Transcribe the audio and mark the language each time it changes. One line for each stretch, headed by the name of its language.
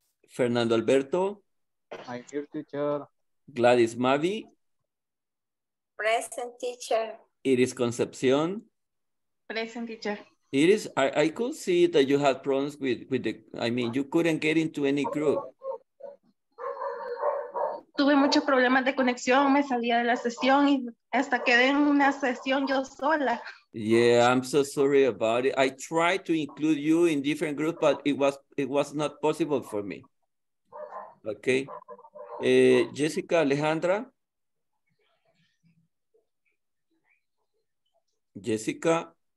English: Fernando Alberto. I'm here, teacher. Gladys Mavi. Present, teacher. Iris Concepcion. Present, teacher. Iris, I could see that you had problems with you couldn't get into any group.
Spanish: Tuve muchos problemas de conexión, me salía de la sesión y hasta quedé en una sesión yo sola.
English: Yeah, I'm so sorry about it. I tried to include you in different groups, but it was not possible for me. Okay. Jessica Alejandra. Jessica.